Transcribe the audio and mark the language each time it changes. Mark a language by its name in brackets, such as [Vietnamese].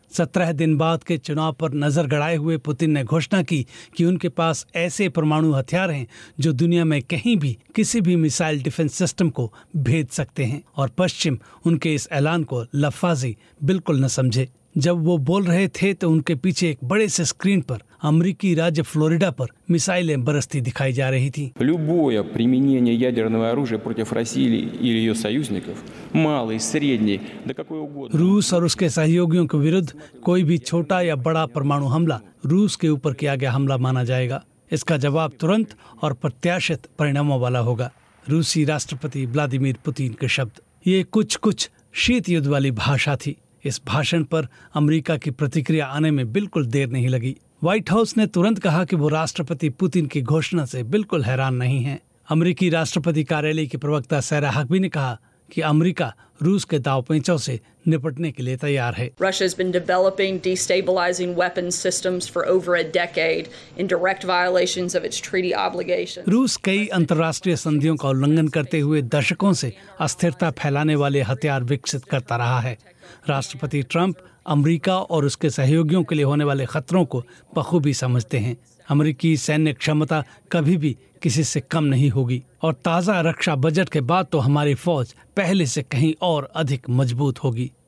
[Hindi] 17 दिन बाद के चुनाव पर नजर गड़ाए हुए पुतिन ने घोषणा की कि उनके पास ऐसे परमाणु हथियार हैं जो दुनिया में कहीं भी किसी भी मिसाइल डिफेंस सिस्टम को भेद सकते हैं और पश्चिम उनके इस ऐलान को लफाजी बिल्कुल न समझे। जब वो बोल रहे थे तो उनके पीछे एक बड़े से स्क्रीन पर अमरीकी राज्य फ्लोरिडा पर मिसाइलें बरसती दिखाई जा रही थी। [Russian] Любое применение ядерного оружия против России или ее союзников, малый, средний, да какой угодно. [Hindi] रूस और उसके सहयोगियों के विरुद्ध कोई भी छोटा या बड़ा परमाणु हमला रूस के ऊपर किया गया हमला माना जाएगा। इसका जवाब तुरंत और प्रत्याशित परिणामों वाला होगा। रूसी राष्ट्रपति व्लादिमीर पुतिन के शब्द। ये कुछ कुछ शीत युद्ध वाली भाषा थी। इस भाषण पर अमरीका की प्रतिक्रिया आने में बिल्कुल देर नहीं लगी। व्हाइट हाउस ने तुरंत कहा कि वो राष्ट्रपति पुतिन की घोषणा से बिल्कुल हैरान नहीं है। अमरीकी राष्ट्रपति कार्यालय के प्रवक्ता सैरा हकबी ने कहा कि अमरीका रूस के दावपेंचों से निपटने के लिए तैयार है। [English] Russia has been developing destabilizing weapons systems for over a decade in direct violations of its treaty obligations. [Hindi] रूस कई अंतर्राष्ट्रीय संधियों का उल्लंघन करते हुए दशकों से अस्थिरता फैलाने वाले हथियार विकसित करता रहा है। राष्ट्रपति ट्रंप अमरीका और उसके सहयोगियों के लिए होने वाले खतरों को बखूबी समझते हैं। अमरीकी सैन्य क्षमता कभी भी किसी से कम नहीं होगी और ताज़ा रक्षा बजट के बाद तो हमारी फौज पहले से कहीं और अधिक मजबूत होगी।